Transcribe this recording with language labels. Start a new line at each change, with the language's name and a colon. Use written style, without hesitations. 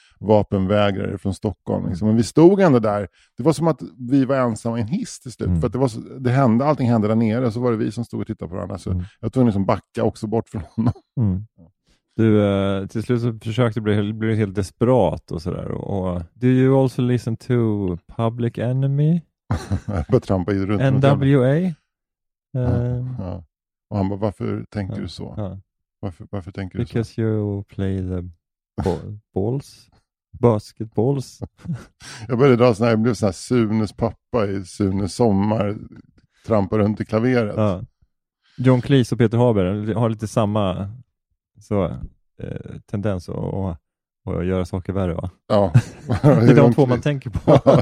Swedish: vapenvägrare från Stockholm. Liksom. Men vi stod ändå där. Det var som att vi var ensamma i en hiss till slut. Mm. För att det var så, det hände, allting hände där nere. Så var det vi som stod och tittade på varandra. Så jag tog liksom backa också bort från honom. Mm. Du, till slut så försökte du bli helt desperat och sådär.
English: Do you also listen to Public Enemy?
Swedish: Jag trampa ju runt.
English: NWA?
Swedish: Och han bara, varför tänker du så? Varför tänker du så?
English: Because you play the balls. Basketballs.
Swedish: Jag började dra sådär, jag blev sådär Sunes pappa i Sunes sommar. Trampa runt i klaveret. John Cleese och Peter Haber har lite samma så tendens att göra saker värre, va? Ja. Det är de två man tänker på.